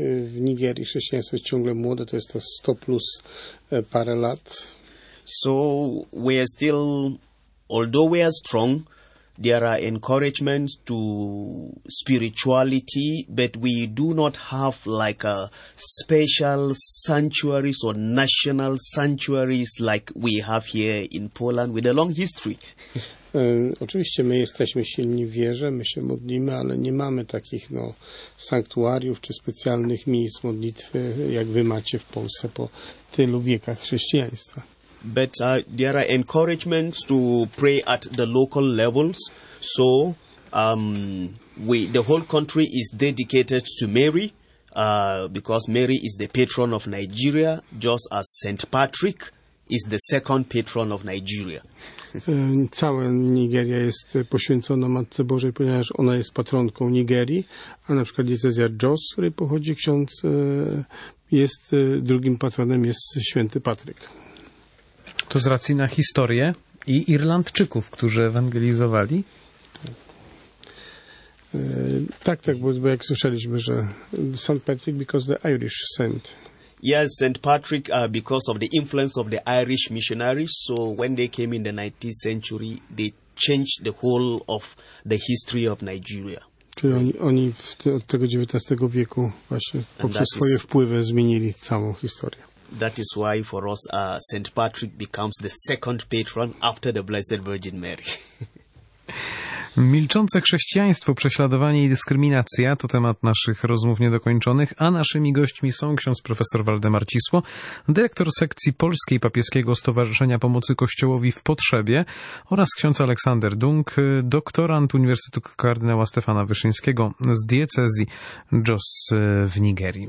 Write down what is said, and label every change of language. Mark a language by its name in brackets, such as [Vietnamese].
[Polish] W Nigerii chrześcijaństwo jest ciągle młode. To jest to 100 plus parę lat. [English] So we are still, although we are strong, there are encouragements to spirituality, but we do not have like a special sanctuaries or national sanctuaries like we have here in Poland with a long history. [Polish] Oczywiście my jesteśmy silni w wierze, my się modlimy, ale nie mamy takich no, sanktuariów czy specjalnych miejsc modlitwy, jak wy macie w Polsce po tylu wiekach chrześcijaństwa. [English] But there are encouragements to pray at the local levels, so the whole country is dedicated to Mary, because Mary is the patron of Nigeria, just as St. Patrick is the second patron of Nigeria. [Polish] Cała Nigeria jest poświęcona Matce Bożej, ponieważ ona jest patronką Nigerii, a na przykład diecezja Jos, z której pochodzi ksiądz, jest drugim patronem, jest święty Patryk. To z racji na historię i Irlandczyków, którzy ewangelizowali? Bo jak słyszeliśmy, że St. [English] Patrick because the Irish saint. Yes, St. Patrick, because of the influence of the Irish missionaries, so when they came in the 19th century, they changed the whole of the history of Nigeria. [Polish] Czyli oni od tego XIX wieku właśnie poprzez swoje wpływy zmienili całą historię. [English] That is why for us St. Patrick becomes the second patron after the Blessed Virgin Mary. [Polish] Milczące chrześcijaństwo, prześladowanie i dyskryminacja to temat naszych rozmów niedokończonych, a naszymi gośćmi są ksiądz profesor Waldemar Cisło, dyrektor sekcji Polskiej Papieskiego Stowarzyszenia Pomocy Kościołowi w Potrzebie oraz ksiądz Aleksander Dunk, doktorant Uniwersytetu Kardynała Stefana Wyszyńskiego z diecezji Jos w Nigerii.